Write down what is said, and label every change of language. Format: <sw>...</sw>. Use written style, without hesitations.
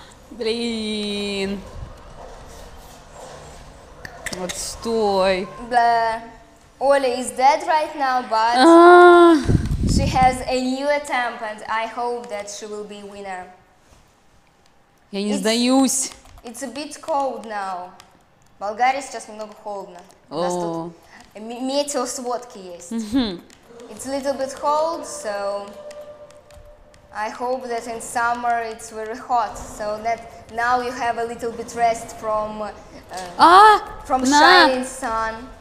<ru>Блин. Вот стой. Бля.</ru> <en>Оля is dead right now, but she has a new attempt and I hope that she will be winner.</en> <ru>Я не сдаюсь.</ru> <en>It's a bit cold now.</en> <ru>В Болгарии сейчас немного холодно. Метеосводки есть.</ru> <en>It's a little bit cold, so I hope that in summer it's very hot, so that now you have a little bit rest from shining sun.</en>